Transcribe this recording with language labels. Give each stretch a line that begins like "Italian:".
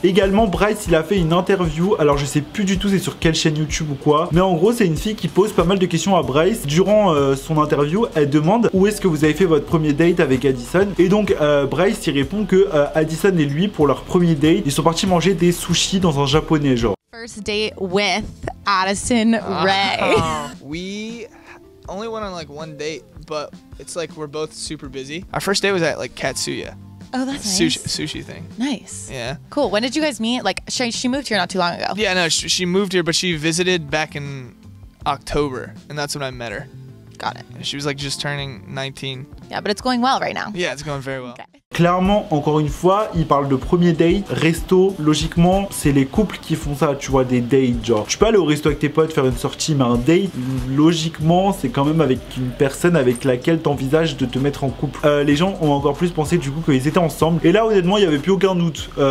French: Également Bryce il a fait une interview, alors je sais plus du tout c'est sur quelle chaîne YouTube ou quoi, mais en gros c'est une fille qui pose pas mal de questions à Bryce durant son interview. Elle demande où est-ce que vous avez fait votre premier date avec Addison. Et donc Bryce il répond que Addison et lui pour leur premier date ils sont partis manger des sushis dans un japonais, genre.
English: First date with Addison Rae. We only went on like one date but it's like we're both super busy. Our first date was at like Katsuya. Oh, that's nice. Sushi thing. Nice. Yeah. Cool. When did you guys meet? Like, she moved here not too long ago. Yeah, no, she moved here, but she visited back in October, and that's when I met her. Got it. She was, like, just turning 19. Yeah, but it's going well right now. Yeah, it's going very well. Okay.
French: clairement, encore une fois, il parle de premier date, resto, logiquement, c'est les couples qui font ça, tu vois, des dates, genre. Tu peux aller au resto avec tes potes, faire une sortie, mais un date, logiquement, c'est quand même avec une personne avec laquelle t'envisages de te mettre en couple. Les gens ont encore plus pensé, du coup, qu'ils étaient ensemble. Et là, honnêtement, il n'y avait plus aucun doute.